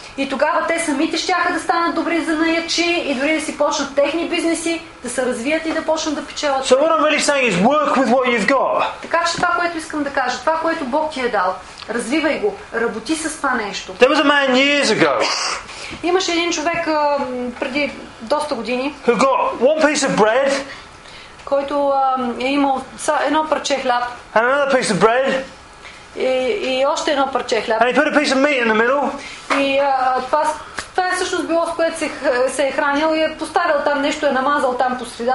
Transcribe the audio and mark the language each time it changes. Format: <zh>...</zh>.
<bg>И тогава те самите щяха да станат добри занаячи и дори да си почнат техни бизнеси, да се развият и да почнат да печелят.</bg> <en>So what I'm really saying is work with what you've got.</en> <bg>Така че това, което искам да кажа, това, което Бог ти е дал, развивай го, работи с това нещо.</bg> <en>There was a man years ago.</en> <bg>Имаше един човек преди доста години.</bg> <en>Who got one piece of bread.</en> <bg>Който е имал едно парче хляб.</bg> <en>And another piece of bread.</en> <bg>И още едно парче хляб.</bg> <en>And he put a piece of meat in the middle.</en> <bg>И това е всъщност било, с което се е хранил и е поставил там нещо, е намазал там по среда.</bg>